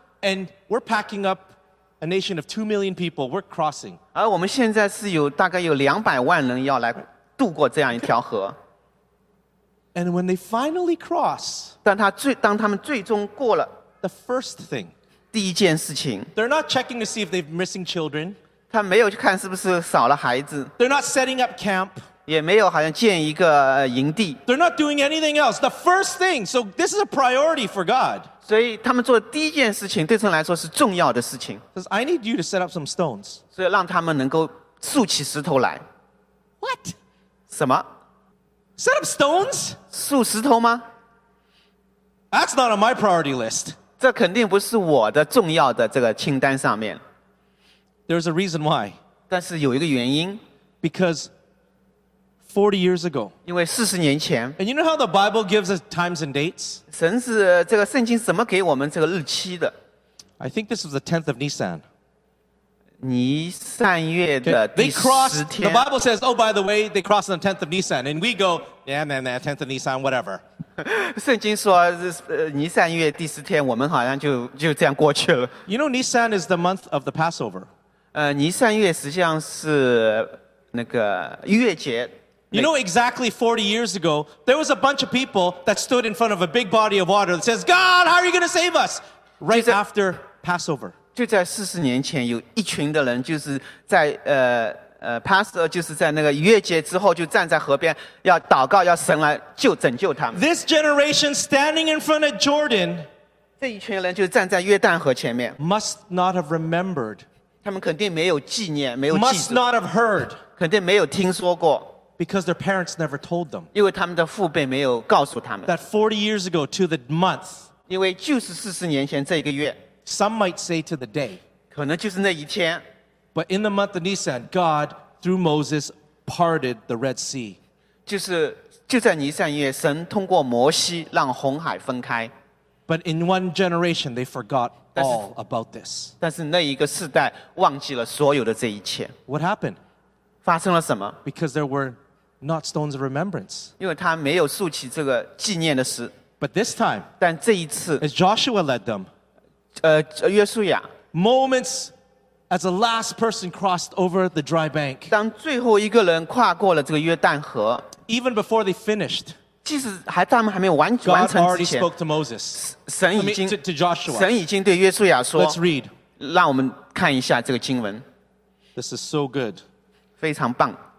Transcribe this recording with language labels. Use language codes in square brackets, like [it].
[en] And we're packing up a nation of 2 million people. We're crossing. [zh] 而我们现在是有大概有200万人要来渡过这样一条河。 [en] And when they finally cross, [zh] 当他们最终过了, [en] the first thing, [zh] 第一件事情, [en] they're not checking to see if they're missing children. [zh] 他没有看是不是少了孩子, [en] they're not setting up camp. [zh] 也没有好像建一个营地, [en] they're not doing anything else. The first thing, so this is a priority for God. [zh] 所以他们做的第一件事情, 对神来说是重要的事情, [en] says, I need you to set up some stones. [zh] 所以让他们能够竖起石头来。 [en] What? [zh] 什么? [en] Set up stones? [zh] 竖石头吗? [en] That's not on my priority list. [zh] 这肯定不是我的重要的这个清单上面。 [en] There's a reason why. [zh] 但是有一个原因。 [en] Because 40 years ago. [zh] 因为40年前。 [en] And you know how the Bible gives us times and dates? [zh] 神是这个圣经怎么给我们这个日期的? [en] I think this was the 10th of Nisan. [zh] 尼散月的第十天。 [en] They crossed, the Bible says, oh, by the way, they crossed on the 10th of Nisan. And we go, yeah, man, that 10th of Nisan, whatever. [zh] 圣经说,尼散月第十天,我们好像就这样过去了。 [en] You know, Nisan is the month of the Passover. [zh] 尼散月实际上是那个月节。 [en] You know, exactly 40 years ago, there was a bunch of people that stood in front of a big body of water that says, God, how are you going to save us? Right after Passover. [zh] 就在四十年前，有一群的人就是在pastor 就是在那个逾越节之后就站在河边要祷告，要神来救拯救他们。 [en] This generation standing in front of Jordan， [zh] 这一群人就站在约旦河前面。 [en] Must not have remembered， [zh] 他们肯定没有纪念，没有记 [en] 住。Must not have heard， [zh] 肯定没有听说过。 [en] Because their parents never told them， [zh] 因为他们的父辈没有告诉他们。 [en] That 40 years ago to the month， [zh] 因为就是四十年前这个月。 [en] Some might say to the day， [zh] 可能就是那一天。 [en] But in the month of Nisan, God, through Moses, parted the Red Sea. [zh] 就在尼撒月，神通过摩西让红海分开。 [en] But in one generation, they forgot all about this. [zh] 但是那一个世代忘记了所有的这一切。 [en] What happened? [zh] 发生了什么？ [en] Because there were not stones of remembrance. [zh] 因为他没有竖起这个纪念的石。 [en] But this time, [zh] 但这一次， [en] as Joshua led them, [zh] 约书亚， [en] moments as the last person crossed over the dry bank， [zh] 当最后一个人跨过了这个约旦河， [en] even before they finished， [zh] 即使还他们还没有完成之前， [en] God already spoke to Moses， [zh] 神已经 [en] to Joshua， [zh] 神已经对约书亚说， [en] Let's read， [zh] 让我们看一下这个经文。 [en] This is so good， [zh] 非常棒。